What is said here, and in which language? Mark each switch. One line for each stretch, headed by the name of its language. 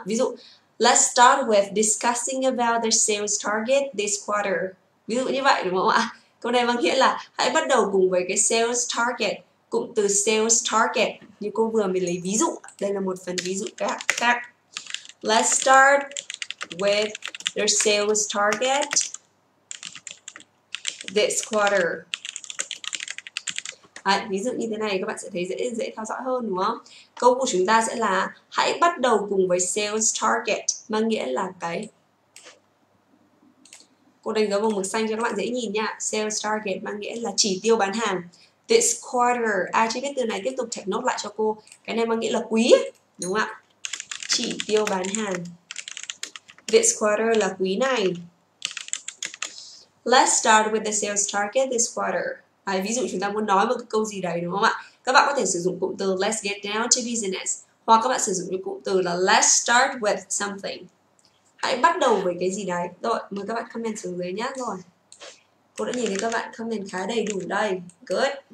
Vietnamese: Ví dụ,
English: let's start with discussing about the sales target this quarter.
Vietnamese: Ví dụ như vậy đúng không ạ? Câu này mang nghĩa là hãy bắt đầu cùng với cái sales target. Cụm từ sales target như cô vừa mình lấy ví dụ, đây là một phần ví dụ các bạn.
English: Let's start with their sales target this quarter.
Vietnamese: À, ví dụ như thế này các bạn sẽ thấy dễ dễ theo dõi hơn đúng không? Câu của chúng ta sẽ là hãy bắt đầu cùng với sales target, mang nghĩa là cái. Cô đánh dấu vào màu xanh cho các bạn dễ nhìn nha. Sales target mang nghĩa là chỉ tiêu bán hàng.
English: This quarter,
Vietnamese: ai chưa biết từ này tiếp tục check note lại cho cô. Cái này mang nghĩa là quý, đúng không ạ? Chỉ tiêu bán hàng.
English: This quarter
Vietnamese: là quý này.
English: Let's start with the sales target this quarter.
Vietnamese: À, ví dụ chúng ta muốn nói một cái câu gì đấy đúng không ạ? Các bạn có thể sử dụng cụm từ
English: let's get down to business
Vietnamese: hoặc các bạn sử dụng cái cụm từ là
English: let's start with something.
Vietnamese: Hãy bắt đầu với cái gì đấy. Rồi, mời các bạn comment xuống dưới nhé. Rồi, cô đã nhìn thấy các bạn comment khá đầy đủ đây.
English: Good.